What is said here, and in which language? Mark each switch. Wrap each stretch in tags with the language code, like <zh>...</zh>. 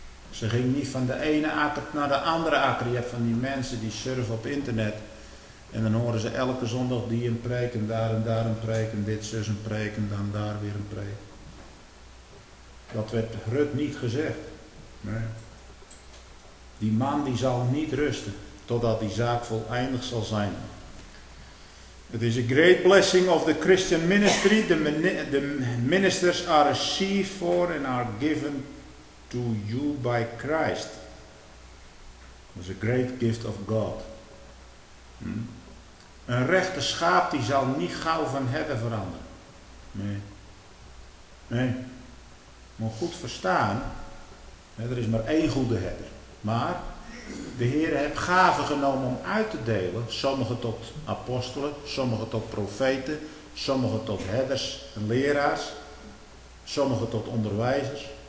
<nl>Ze ging niet van de ene akker naar de andere akker. Je hebt van die mensen die surfen op internet en dan horen ze elke zondag die een preek en daar een preek en dit zus een preek en dan daar weer een preek. Dat werd Rut niet gezegd. Nee. Die man die zal niet rusten totdat die zaak voleindigd zal zijn. Het is</nl> <en>a great blessing of the Christian ministry. The ministers are received for and are given to you by Christ. It's a great gift of God.</en> <nl>Een rechte schaap die zal niet gauw van herder veranderen. Nee. Nee. Maar goed verstaan, er is maar één goede herder. Maar de Heer heeft gaven genomen om uit te delen, sommigen tot apostelen, sommigen tot profeten, sommigen tot herders en leraars, sommigen tot onderwijzers.</nl>